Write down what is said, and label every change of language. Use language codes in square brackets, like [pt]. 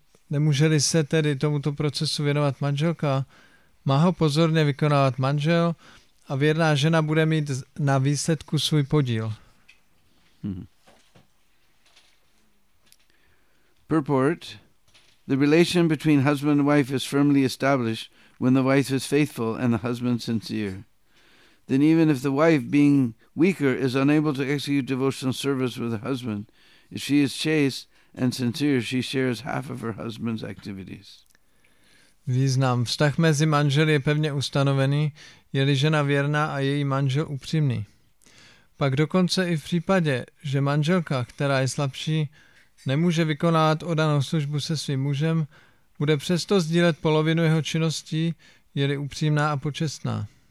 [cs] Nemůže-li se tedy tomuto procesu věnovat manželka, má ho pozorně vykonávat manžel a věrná žena bude mít na výsledku svůj podíl. [en] Purport: the relation between husband and wife is firmly established when the wife is faithful and the husband sincere. Then even if the wife, being weaker, is unable to execute devotional service with her husband, if she is chaste and sincere, she shares half of her husband's activities. [cs] Význam: vztah mezi manželi je pevně ustanovený, je-li žena věrná a její manžel upřímný. Pak dokonce i v případě, že manželka, která je slabší, nemůže vykonávat oddanou službu se svým mužem, bude přesto sdílet polovinu jeho činností, je-li upřímná a počestná.